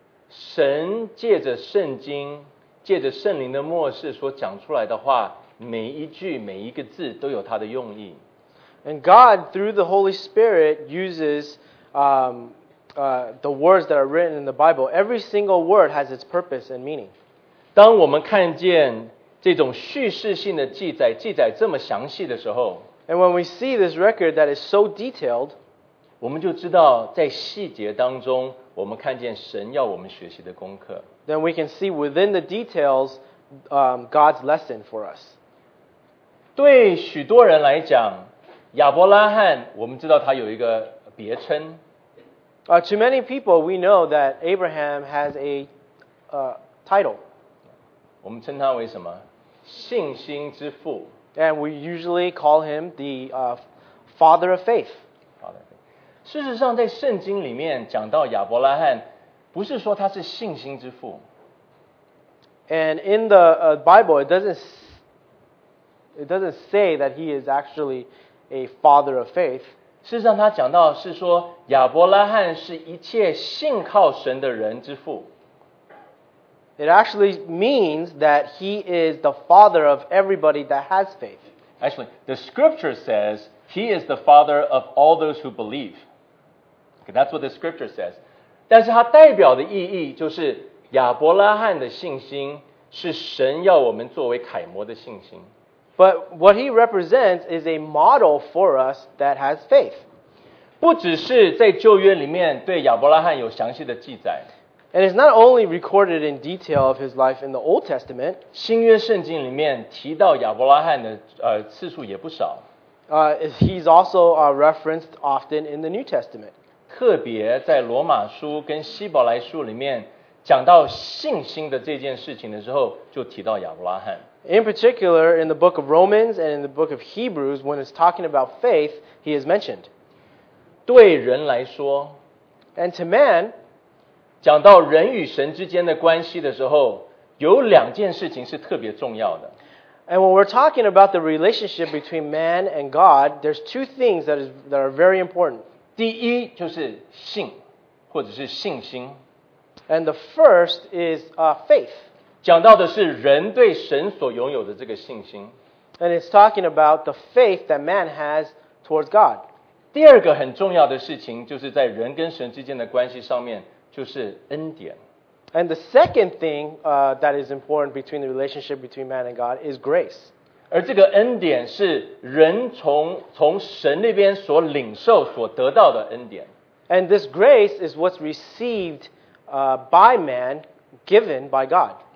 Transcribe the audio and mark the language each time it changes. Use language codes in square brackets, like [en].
[zh] 神借着圣经借着圣灵的默示所讲出来的话，每一句每一个字都有它的用意。 [en] And God, through the Holy Spirit, uses the words that are written in the Bible. Every single word has its purpose and meaning. [zh] 当我们看见这种叙事性的记载，记载这么详细的时候， [en] And when we see this record that is so detailed, [zh] 我们就知道在细节当中我们看见神要我们学习的功课。 [en] Then we can see within the details God's lesson for us. [zh] 对许多人来讲，亚伯拉罕，我们知道他有一个别称。 [en] To many people, we know that Abraham has a title. [zh] 我们称他为什么？信心之父。 [en] And we usually call him the father of faith. [zh] 事实上，在圣经里面讲到亚伯拉罕。不是说他是信心之父。 [en] And in the Bible, it doesn't say that he is actually a father of faith. [zh] 事实上他讲到是说亚伯拉罕是一切信靠神的人之父。 [en] It actually means that he is the father of everybody that has faith. Actually, the scripture says he is the father of all those who believe. Okay, that's what the scripture says. [zh] 但是它代表的意义就是亚伯拉罕的信心是神要我们作为楷模的信心。 [en] But what he represents is a model for us that has faith. [zh] 不只是在旧约里面对亚伯拉罕有详细的记载。 [en] And it's not only recorded in detail of his life in the Old Testament. [zh] 新约圣经里面提到亚伯拉罕的次数也不少。 [en] He's also referenced often in the New Testament. [zh] 特别在罗马书跟希伯来书里面讲到信心的这件事情的时候，就提到亚伯拉罕。 [en] In particular, in the book of Romans and in the book of Hebrews, when it's talking about faith, he is mentioned. [zh] 对人来说 [en] ，and to man, [zh] 讲到人与神之间的关系的时候，有两件事情是特别重要的。 [en] And when we're talking about the relationship between man and God, there's two things that are very important. [zh] 第一就是信，或者是信心。 [en] And the first is faith. [zh] 讲到的是人对神所拥有的这个信心。 [en] And it's talking about the faith that man has towards God. [zh] 第二个很重要的事情就是在人跟神之间的关系上面，就是恩典。 [en] And the second thing that is important between the relationship between man and God is grace. [zh] 而这个恩典是人 从神那边所领受所得到的恩典。 [en] And this grace is what's received by man, given by God.